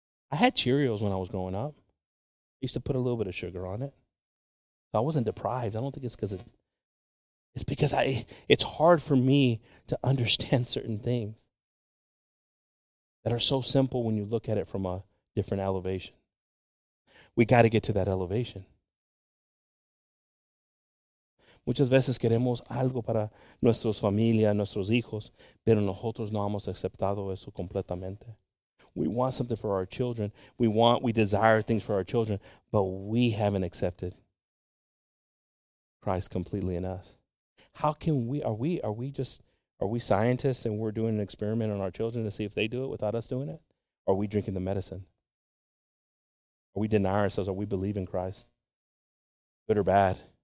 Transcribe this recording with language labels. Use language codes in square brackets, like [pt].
[en] I had Cheerios when I was growing up. I used to put a little bit of sugar on it. So I wasn't deprived. I don't think it's because it's hard for me to understand certain things that are so simple when you look at it from a different elevation. We got to get to that elevation. [es] Muchas veces queremos algo para nuestros familias, nuestros hijos, pero nosotros no hemos aceptado eso completamente. [en] We want something for our children. We desire things for our children, but we haven't accepted Christ completely in us. Are we scientists and we're doing an experiment on our children to see if they do it without us doing it? Or are we drinking the medicine? Are we denying ourselves? Are we believing Christ? Good or bad?